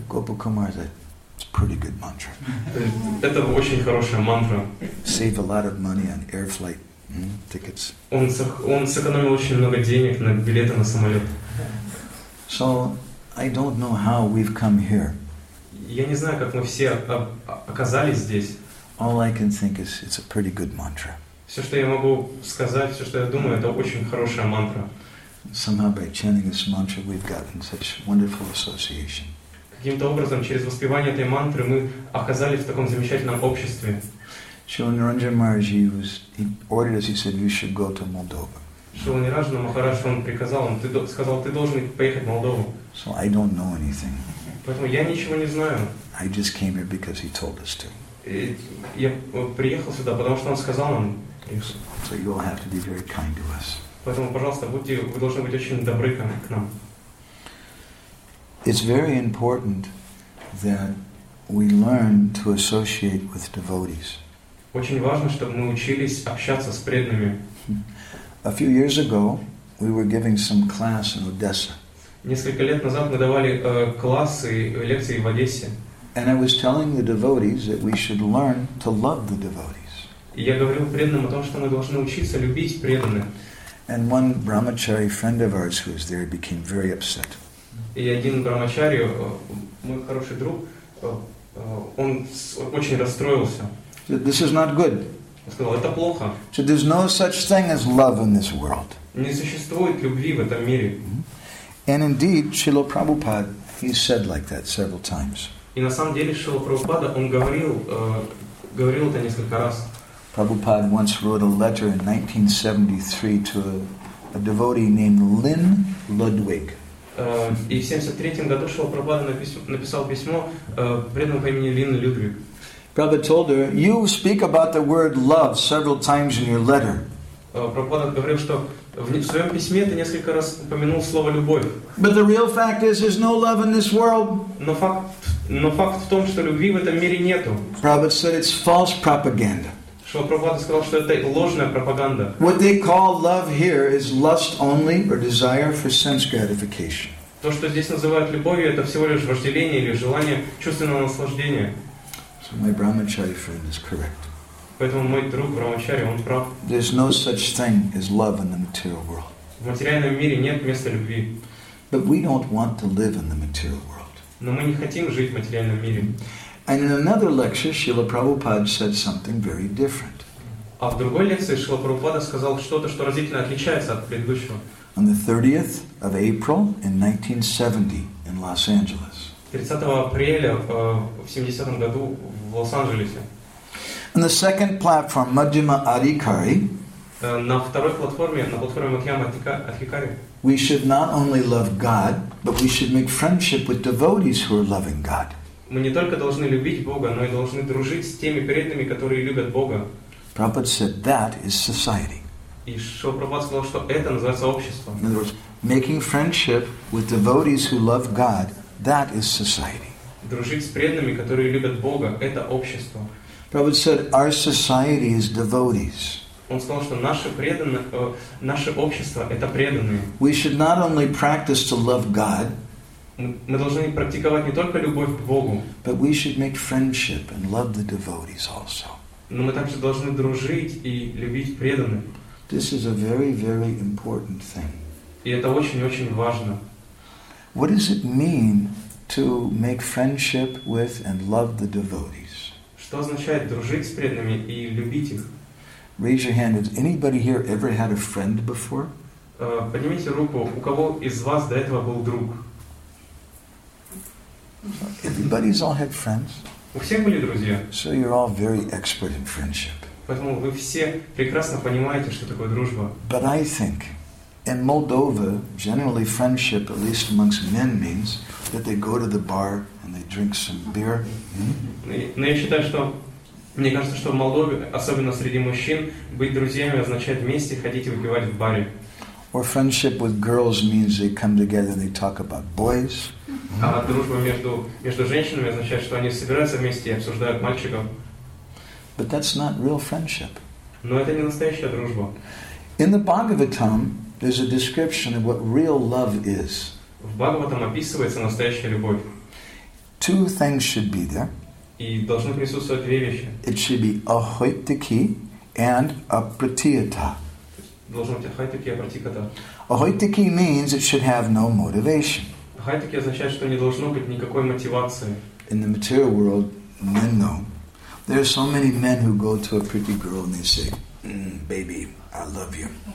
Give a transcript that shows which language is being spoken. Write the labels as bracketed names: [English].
[English] Gopa Kumar said, "It's a pretty good mantra." [Russian] Это очень хорошая мантра. [English] Save a lot of money on air flight. Tickets. [Russian] Он сэкономил очень много денег на билеты на самолет. [English] So I don't know how we've come here. [Russian] Я не знаю, как мы все оказались здесь. [English] All I can think is it's a pretty good mantra. [Russian] Все, что я могу сказать, все, что я думаю, это очень хорошая мантра. [English] Somehow by chanting this mantra, we've gotten such wonderful association. [Russian] Каким-то образом через воспевание этой мантры мы оказались в таком замечательном обществе. [English] Srila Niranjan Maharaji he ordered us, he said, you should go to Moldova. [Russian] Srila Niranjan Maharaj, он приказал, он сказал, ты должен поехать в Молдову. [English] So I don't know anything. [Russian] Поэтому я ничего не знаю. [English] I just came here because he told us to. [Russian] Я приехал сюда, потому что он сказал нам. [English] So you'll have to be very kind to us. [Russian] Поэтому, пожалуйста, вы должны быть очень добры к нам. [English] It's very important that we learn to associate with devotees. [Russian] Очень важно, чтобы мы учились общаться с преданными. [English] A few years ago, we were giving some class in Odessa. [Russian] Несколько лет назад мы давали классы, лекции в Одессе. [English] And I was telling the devotees that we should learn to love the devotees. [Russian] И я говорил преданным о том, что мы должны учиться любить преданных. [English] And one brahmachari friend of ours who was there became very upset. [Russian] И один брахмачари, мой хороший друг, он очень расстроился. [English] This is not good. [Russian] Сказал, это плохо. [English] So there's no such thing as love in this world. [Russian] Не существует любви в этом мире. [English] And indeed, Srila Prabhupada, he said like that several times. [Russian] И на самом деле Шрила Прабхупада он говорил это несколько раз. [English] Prabhupada once wrote a letter in 1973 to a devotee named Lynn Ludwig. [Russian] И в 73-м году Шрила Прабхупада написал письмо преданному по имени Лин Людвиг. [English] Prabhupada told her, "You speak about the word love several times in your letter." [Russian] Prabhupada говорил, что В своем письме ты несколько раз упомянул слово «любовь». [English] But the real fact is, there's no love in this world. [Russian] Но факт в том, что любви в этом мире нету. [English] Prabhupada said it's false propaganda. [Russian] Прабхупада сказал, что это ложная пропаганда. [English] What they call love here is lust only or desire for sense gratification. [Russian] То, что здесь называют любовью, это всего лишь вожделение или желание чувственного наслаждения. [English] So my brahmachari friend is correct. [Russian] Поэтому мой друг брахмачари, он прав. [English] There's no such thing as love in the material world. [Russian] В материальном мире нет места любви. [English] But we don't want to live in the material world. [Russian] Но мы не хотим жить в материальном мире. [English] And in another lecture, Srila Prabhupada said something very different. [Russian] А в другой лекции Шрила Прабхупада сказал что-то, что разительно отличается от предыдущего. [English] On the 30th of April in 1970 in Los Angeles. [Russian] 30 апреля в 70-м году в Лос-Анджелесе. [English] On the second platform, Madhyama Adhikari, [Russian] на второй платформе, на платформе Madhyama Adhikari, [English] we should not only love God, but we should make friendship with devotees who are loving God. [Russian] Мы не только должны любить Бога, но и должны дружить с теми преданными, которые любят Бога. [English] Prabhupada said that is society. [Russian] И Шрила Прабхупада сказал, что это называется общество. [English] In other words, making friendship with devotees who love God, that is society. [Russian] Дружить с преданными, которые любят Бога, это общество. [English] Prabhupada said, our society is devotees. [Russian] Он сказал, что наше общество — это преданные. [English] We should not only practice to love God, [Russian] мы должны практиковать не только любовь к Богу, [English] but we should make friendship and love the devotees also. [Russian] Но мы также должны дружить и любить преданных. [English] This is a very, very important thing. [Russian] И это очень-очень важно. [English] What does it mean to make friendship with and love the devotees? [Russian] Что означает дружить с преданными и любить их? [English] Raise your hand. Has anybody here ever had a friend before? [Russian] Поднимите руку, у кого из вас до этого был друг? [English] Everybody's all had friends. [Russian] У всех были друзья. [English] So you're all very expert in friendship. [Russian] Поэтому вы все прекрасно понимаете, что такое дружба. [English] But I think in Moldova, generally friendship, at least amongst men, means that they go to the bar and they drink some beer. [Russian] Но я считаю, что мне кажется, что в Молдове, особенно среди мужчин, быть друзьями означает вместе ходить и выпивать в баре. [English] Or friendship with girls means they come together and they talk about boys. [Russian] А дружба между женщинами означает, что они собираются вместе и обсуждают мальчиков. [English] But that's not real friendship. [Russian] Но это не настоящая дружба. [English] In the Bhagavatam, there's a description of what real love is. [Russian] В Бхагаватам описывается настоящая любовь. [English] Two things should be there. [Russian] И должны присутствовать две вещи. [English] It should be ahoitiki and apratiyata. [Russian] Должно быть ahoitiki и apratiyata. [English] Ahoitiki means it should have no motivation. [Russian] Ahoitiki означает, что не должно быть никакой мотивации. [English] In the material world, men know. There are so many men who go to a pretty girl and they say, baby, I love you.